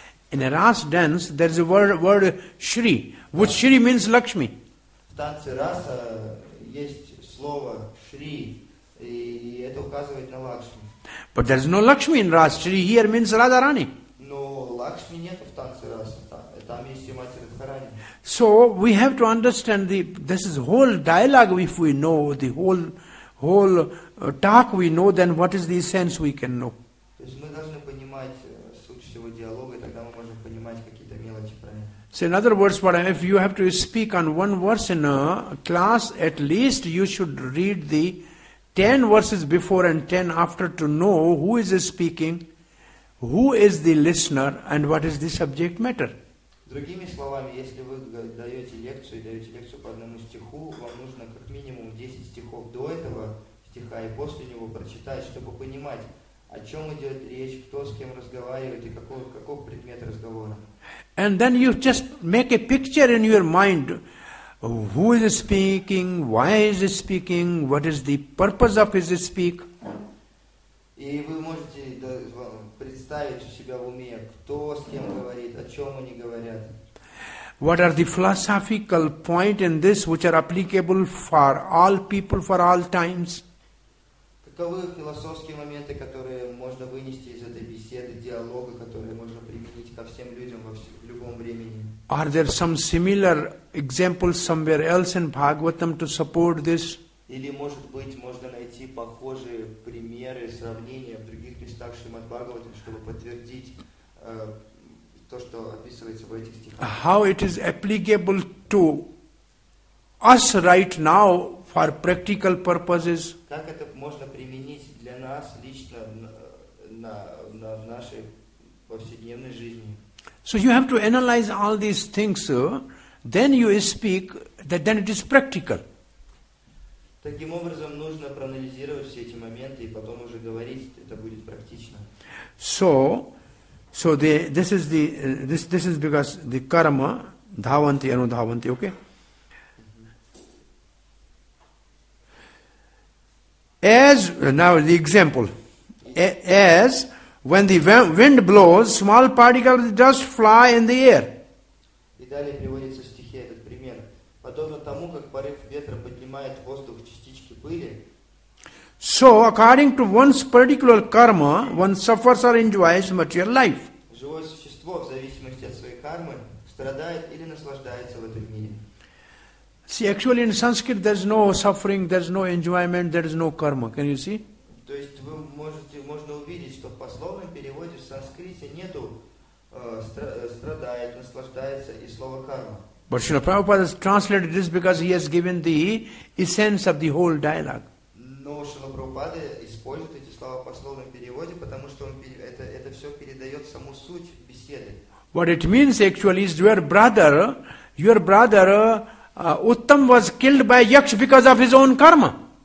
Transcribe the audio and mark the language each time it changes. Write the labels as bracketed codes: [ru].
[en] In a Ras dance, there is a word Shri, which Shri means Lakshmi. [ru] В танце раса есть слово Шри, и это указывает на Лакшми. [en] But there is no Lakshmi in Ras. Shri here means Radharani. [ru] Но Лакшми нет в танце раса. Там есть и Матери Радхарани. [en] So we have to understand this is whole dialogue. If we know the whole talk, we know then what is the sense we can know. [ru] То есть мы должны понимать суть всего диалога, и тогда мы можем понимать какие-то мелочи про него. [en] So in other words, if you have to speak on one verse in a class, at least you should read the 10 verses before and 10 after to know who is speaking, who is the listener, and what is the subject matter. [ru] Другими словами, если вы даете лекцию и даете лекцию по одному стиху, вам нужно как минимум 10 стихов до этого стиха и после него прочитать, чтобы понимать, о чем идет речь, кто с кем разговаривает и каков предмет разговора. [en] And then you just make a picture in your mind, who is speaking, why is he speaking, what is the purpose of his speak. [ru] И вы можете представить у себя в уме, кто с кем говорит, о чем они говорят. [en] What are the philosophical point in this, which are applicable for all people, for all times? [ru] Каковы философские моменты, которые можно вынести из этой беседы, диалога, которые можно применить ко всем людям во всем? [en] Are there some similar examples somewhere else in Bhagavatam to support this? [ru] Или может быть можно найти похожие примеры, сравнения в других местах Шримад-Бхагаватам, чтобы подтвердить то, что описывается в этих стихах? [en] How it is applicable to us right now for practical purposes? [ru] Как это можно применить для нас лично в нашей повседневной жизни? [en] So you have to analyze all these things, sir. Then you speak, then it is practical. [ru] Таким образом, нужно проанализировать все эти моменты, и потом уже говорить, это будет практично. [en] So this is because the karma, dhavanti, anudhavanti, okay? As, now the example, as, when the wind blows, small particles of dust fly in the air. [ru] И далее приводится в стихе этот пример. Подобно тому, как порыв ветра поднимает в воздух частички пыли. [en] So, according to one's particular karma, one suffers or enjoys material life. [ru] Живое существо, в зависимости от своей кармы, страдает или наслаждается в этом мире. [en] See, actually in Sanskrit there is no suffering, there is no enjoyment, there is no karma. Can you see? [ru] То есть вы можно увидеть, что в пословном переводе в санскрите нету страдает, наслаждается и слова карма. [en] But Srila Prabhupada has translated this because he has given the essence of the whole dialogue. [ru] Но Srila Prabhupada использует эти слова в пословном переводе, потому что он это все передает саму суть беседы. [en] What it means actually is your brother, Uttam was killed by Yaksha because of his own karma.